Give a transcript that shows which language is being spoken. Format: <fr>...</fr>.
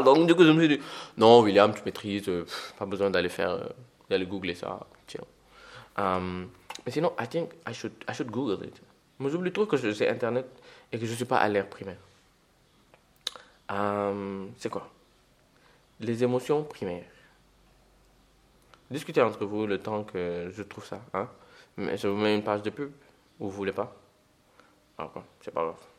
<fr>Donc, du coup, je me suis dit, non, William, tu maîtrises. Pas besoin d'aller faire. D'aller googler ça. Tiens. Mais sinon,</fr> <en>I think I should Google it.</en> <fr>Mais j'oublie trop que j'ai Internet et que je ne suis pas à l'ère primaire. C'est quoi? Les émotions primaires. Discutez entre vous le temps que je trouve ça. Hein? Mais je vous mets une page de pub. Vous voulez pas? Alors quoi, c'est pas grave.</fr>